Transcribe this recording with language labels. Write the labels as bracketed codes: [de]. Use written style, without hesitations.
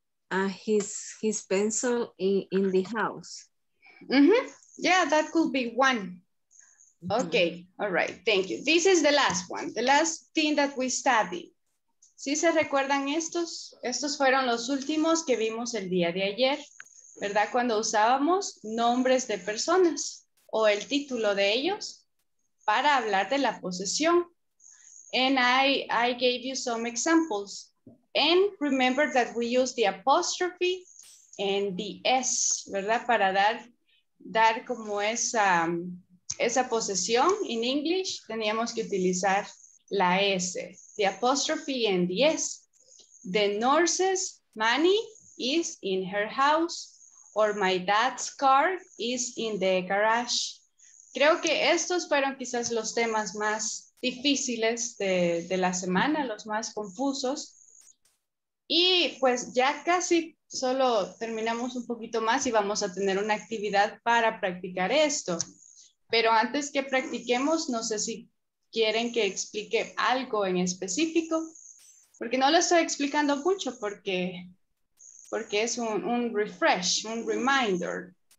[en] His pencil in the house. Mm-hmm. Yeah, that could be one. Mm-hmm. Okay, all right, thank you. This is the last one, the last thing that we studied. [es] ¿Sí se recuerdan estos? Estos fueron los últimos que vimos el día de ayer. ¿Verdad? Cuando usábamos nombres de personas o el título de ellos para hablar de la posesión. [en] And I gave you some examples. And remember that we use the apostrophe and the S, [es] ¿verdad? Para dar como esa posesión [en] in English, [es] teníamos que utilizar la S. [en] The apostrophe and the S. The nurse's money is in her house. Or my dad's car is in the garage. [es] Creo que estos fueron quizás los temas más difíciles de la semana, los más confusos. Y pues ya casi solo terminamos un poquito más y vamos a tener una actividad para practicar esto. Pero antes que practiquemos, no sé si quieren que explique algo en específico, porque no lo estoy explicando mucho porque es un refresh, un reminder.